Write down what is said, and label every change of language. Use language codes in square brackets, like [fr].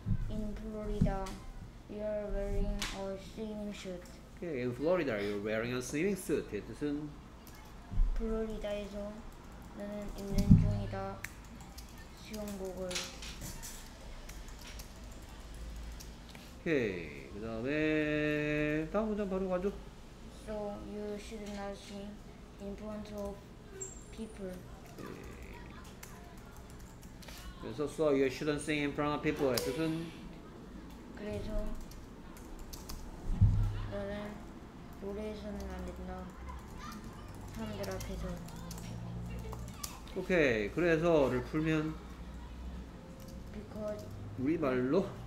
[en] in Florida, you are wearing a swimming suit. 오케이, in Florida, you are wearing a swimming suit. [ko] 이 뜻은 플로리다에서 나는 있는 중이다. 수영복을. 오케이, 그 다음에 다음 문장 바로 가죠. [en] So you should not sing in front of people. [ko] 그래서 [en] so you shouldn't sing in front of people. [ko] 뜻은 그래서 나는 노래에서는 안 된다. 사람들 앞에서. 오케이, 그래서를 풀면 [en] because [ko] 우리말로